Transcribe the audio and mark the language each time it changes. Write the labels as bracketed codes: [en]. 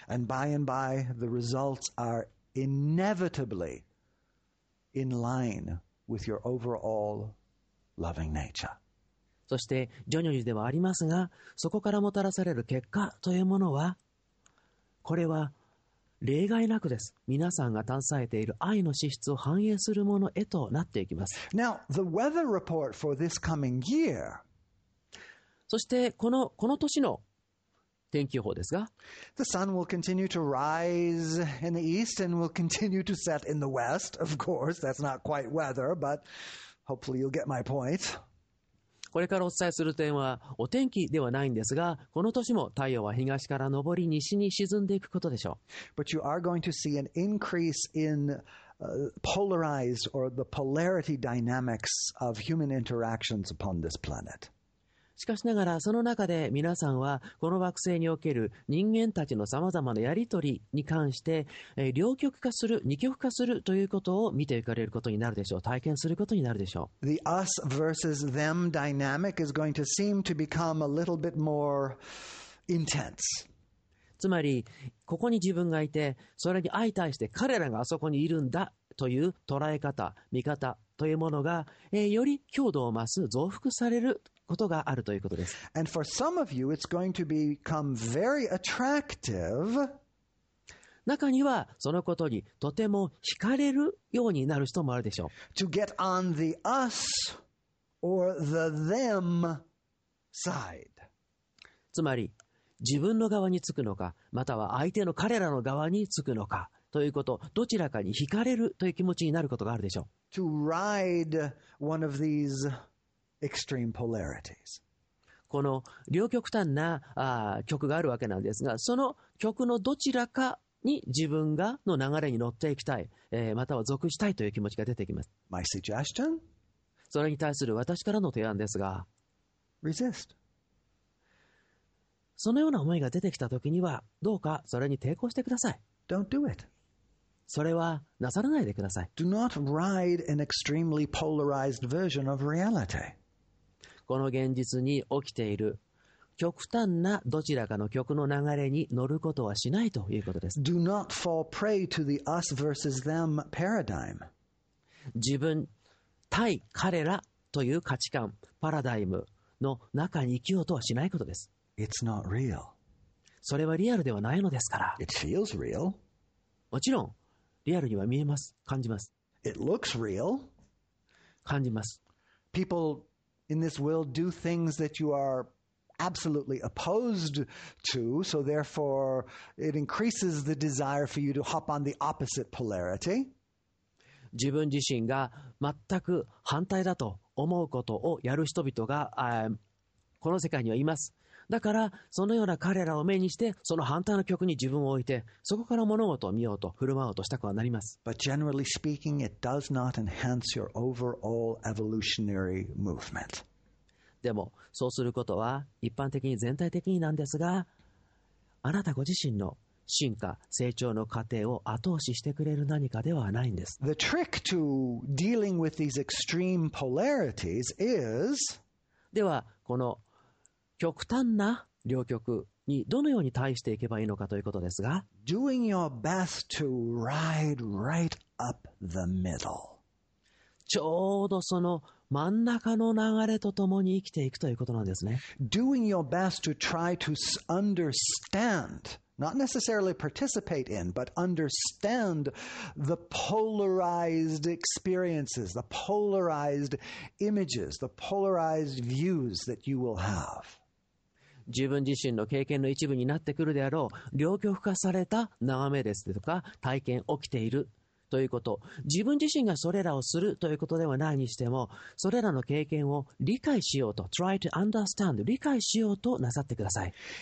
[en] And by and by, the results are inevitably in line with your overall loving nature. [ja] そして徐々にではありますが、そこからもたらされる結果というものは、これは例外なくです。皆さんが携えている愛の資質を反映するものへとなっていきます。 [en] Now, the weather report for this coming year, [ja] そしてこの年の天気予報ですが、 [en] The sun will continue to rise in the east and will continue to set in the west, of course, that's not quite weather, but hopefully you'll get my point. [ja] これからお伝えする点はお天気ではないんですが、この年も太陽は東から昇り西に沈んでいくことでしょう。 [en] But you are going to see an increase in polarized or the polarity dynamics of human interactions upon this planet. [ja] しかしながらその中で皆さんはこの惑星における人間たちのさまざまなやり取りに関して、両極化する二極化するということを見ていかれることになるでしょう。体験することになるでしょう。 [en] The us versus them dynamic is going to seem to become a little bit more intense。 [ja] つまりここに自分がいて、それに相対して彼らがあそこにいるんだという捉え方、見方というものが、より強度を増す、増幅されることがあるということです。 [en] And for some of you, it's going to become very attractive. [ja] 中にはそのことにとても惹かれるようになる人もあるでしょう。 [en] To get on the us or the them side. [ja] つまり自分の側につくのか、または相手の彼らの側につくのかということ、どちらかに惹かれるという気持ちになることがあるでしょう。 [en] To ride one of these extreme polarities. [ja] この両極端な極があるわけなんですが、その極のどちらかに自分がの流れに乗っていきたい、または属したいという気持ちが出てきます。 [en] My suggestion? [ja] それに対する私からの提案ですが、 [en] Resist. [ja] そのような思いが出てきたときには、どうかそれに抵抗してください。 [en] Don't do it. [ja] それはなさらないでください。 [en] Do not ride an extremely polarized version of reality. [ja] この現実に起きている極端などちらかの極の流れに乗ることはしないということです。 [en] Do not fall prey to the us versus them paradigm. [ja] 自分対彼らという価値観、パラダイムの中に生きようとはしないことです。 [en] It's not real. [ja] それはリアルではないのですから。 [en] It feels real. [ja] もちろんリアルには見えます。感じます。 [en] It looks real. [ja] 感じます。 [en] People in this world do things that you are absolutely opposed to, so therefore it increases the desire for you to hop on the opposite polarity. [ja] 自分自身が全く反対だと思うことをやる人々が、この世界にはいます。だからそのような彼らを目にして、その反対の極に自分を置いて、そこから物事を見ようと振る舞おうとしたくはなります。 [en] But generally speaking, it does not enhance your overall evolutionary movement. [ja] でもそうすることは一般的に全体的になんですが、あなたご自身の進化成長の過程を後押ししてくれる何かではないんです。 [en] The trick to dealing with these extreme polarities is [ja] ではこの極端な両極にどのように対していけばいいのかということですが、 [en] Doing your best to ride right up the middle. [ja] ちょうどその真ん中の流れとともに生きていくということなんですね。 [en] Doing your best to try to understand, not necessarily participate in, but understand the polarized experiences, the polarized images, the polarized views that you will have. [ja] 自分自身の経験の一部になってくるであろう両極化された眺めですとか、体験起きているということ、自分自身がそれらをするということではないにしても、それらの経験を理解しようと、 [en] try to understand、 [ja] 理解しようとなさってください。